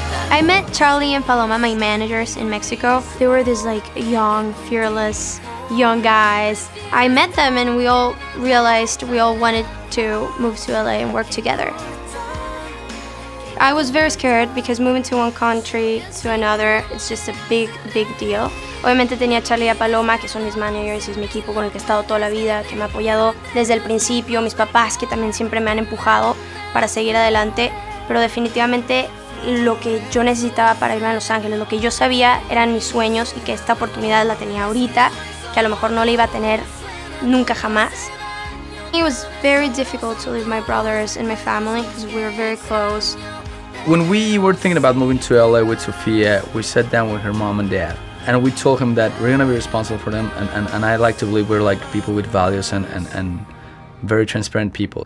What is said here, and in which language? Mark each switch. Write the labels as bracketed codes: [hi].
[en] I met Charlie and Paloma, my managers in Mexico. They were these like young, fearless, young guys. I met them and we all realized we all wanted to move to LA and work together. I was very scared because moving to one country to another, it's just a big, big deal. [es] Obviamente tenía Charlie y a Paloma, que son mis managers, es mi equipo con el que he estado toda la vida, que me ha apoyado desde el principio, mis papás que también siempre me han empujado para seguir adelante, pero definitivamente lo que yo necesitaba para irme a Los Ángeles, lo que yo sabía eran mis sueños y que esta oportunidad la tenía ahorita, que a lo mejor no la iba a tener nunca jamás. [en] It was very difficult to leave my brothers and my family because we were very close. When we were thinking about moving to LA with Sofia, we sat down with her mom and dad and we told him that we're going to be responsible for them, and I like to believe we're like people with values and very transparent people.